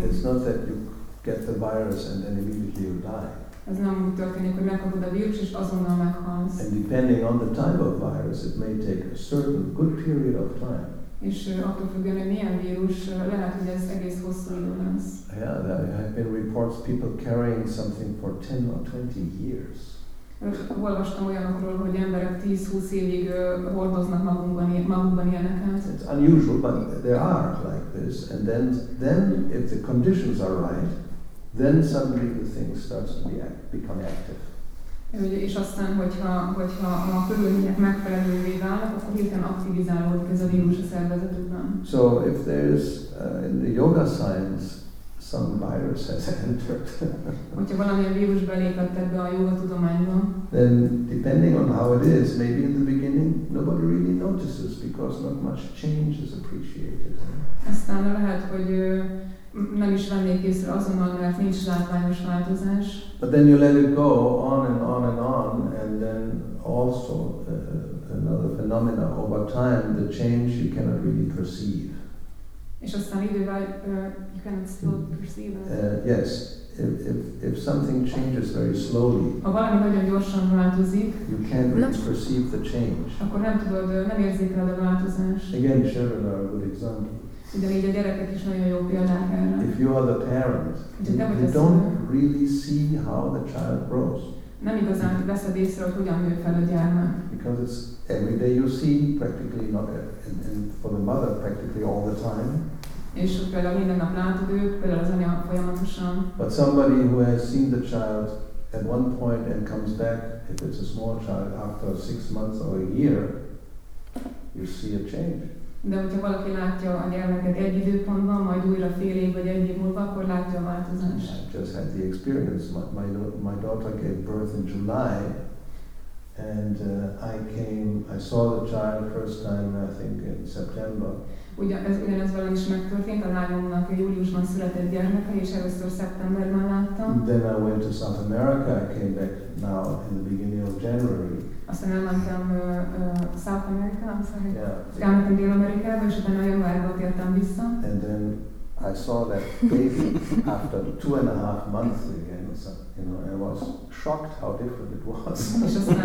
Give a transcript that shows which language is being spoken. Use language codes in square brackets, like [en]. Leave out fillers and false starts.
[en] It's not that you get the virus and then immediately you die. [hu] Ez nem úgy történik, hogy megkapod a vírus és azonnal meghalsz. [en] And depending on the type of virus, it may take a certain good period of time. [hu] És attól függően, hogy milyen vírus, lehet, hogy ez egész hosszú idő lesz. [en] Yeah, there have been reports people carrying something for 10 or 20 years. [hu] Olvastam olyanokról, hogy emberek 10-20 évig hordoznak magukban ilyeneket. [en] It's unusual, but there are like this. And then if the conditions are right, then suddenly the thing starts to become active. [hu] És aztán, hogyha a körülmények megfelelővé válnak, akkor hirtelen aktivizálódik ez a vírus a szervezetükben. [en] So if there is in the yoga science, some virus has entered. [hu] Hogyha valamilyen vírus belépett ebbe a jóga tudományba, [en] then depending on how it is, maybe in the beginning nobody really notices because not much change is appreciated. [hu] Aztán lehet, hogy meg is vennék észre azonnal, mert nincs látványos változás. [en] But then you let it go on and on and on, and then also another phenomena over time, the change you cannot really perceive. [hu] És aztán idővel [en] you cannot still perceive it. Yes. If something changes very slowly, [hu] ha valami nagyon gyorsan változik, [en] you can't really perceive the change. [hu] Akkor nem tudod, nem érzékeled a változást. [en] Again, children are a good example. [hu] De így a gyerekek is nagyon jó példák erre. [en] If you are the parent, you don't really see how the child grows. [hu] Nem igazán veszed észre, hogy hogyan nő fel a gyermek. [en] Because it's every day you see, practically not, and for the mother practically all the time. [hu] És ott például minden nap látod őt, például az anya folyamatosan. [en] But somebody who has seen the child at one point and comes back, if it's a small child, after 6 months or a year, you see a change. [hu] De hogyha valaki látja a gyermeket egy időpontban, majd újra fél év vagy egy év múlva, akkor látja a változást. [en] I just had the experience. My daughter gave birth in July, and I saw the child first time, I think, in September. [hu] Ugyanez valami is megtörtént, a lányomnak júliusban született gyermeke, és először szeptemberben láttam. [en] Then I went to South America, I came back now in the beginning of January. [hu] Aztán elmentem South America, elmentem Dél-Amerikába, és utána januárban tértem vissza. [en] And then I saw that baby after 2.5 months again, so, you know, I was shocked how different it was.